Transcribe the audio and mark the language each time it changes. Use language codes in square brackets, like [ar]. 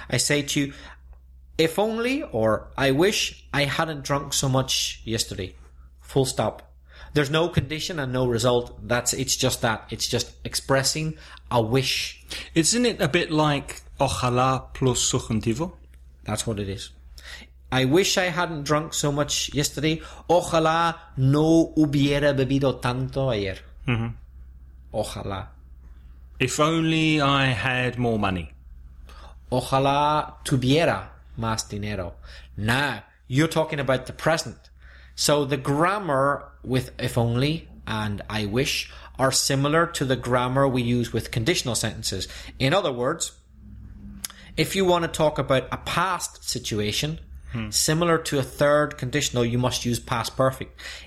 [en] I say to you, if only or I wish I hadn't drunk so much yesterday. Full stop. There's no condition and no result. It's just that. It's just expressing a wish. Isn't it a bit like ojalá plus subjuntivo? That's what it is. I wish I hadn't drunk so much yesterday. [es] Ojalá no hubiera bebido tanto ayer. Mm-hmm. Ojalá. [en] If only I had more money. [es] Ojalá tuviera más dinero. [en] Nah, you're talking about the present. So the grammar with if only and I wish are similar to the grammar we use with conditional sentences. In other words, if you want to talk about a past situation, similar to a third conditional, you must use past perfect.